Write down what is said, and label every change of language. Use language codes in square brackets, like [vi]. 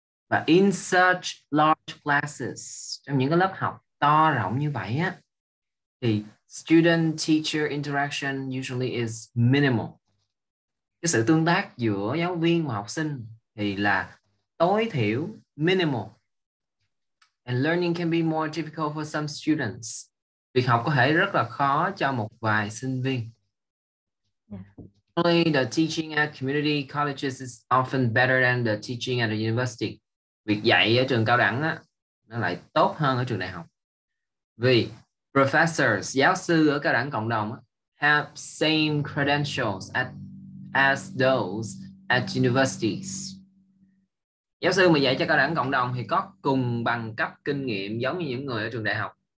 [vi] Và [en] in such large classes, [vi] trong những cái lớp học to rộng như vậy á, thì [en] student teacher interaction usually is minimal. [vi] Cái sự tương tác giữa giáo viên và học sinh thì là tối thiểu, minimal. [en] And learning can be more difficult for some students. [vi] Việc học có thể rất là khó cho một vài sinh viên. [en] Only the teaching at community colleges is often better than the teaching at a university. [vi] Việc dạy ở trường cao đẳng á, nó lại tốt hơn ở trường đại học. Vì professors, giáo sư ở cao đẳng cộng đồng á, [en] have same credentials as those at universities. [vi] Giáo sư mà dạy cho cao đẳng cộng đồng thì có cùng bằng cấp kinh nghiệm giống như những người ở trường đại học.